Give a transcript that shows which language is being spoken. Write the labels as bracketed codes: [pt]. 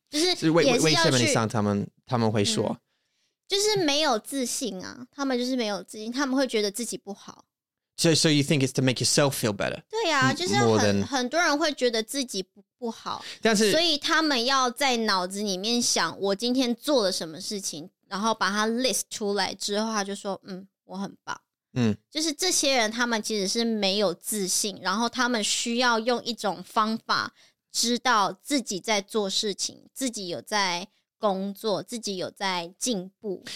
[zh] 就是为什么你想他们会说、嗯、就是没有自信啊，他们就是没有自信，他们会觉得自己不好。 [en] So you think it's to make yourself feel better? [zh] 对啊，就是 很多人会觉得自己 不好，但是所以他们要在脑子里面想我今天做了什么事情，然后把它 list 出来之后，他就说嗯，我很棒。嗯，就是这些人他们其实是没有自信，然后他们需要用一种方法知道自己在做事情，自己有在工作，自己有在进步。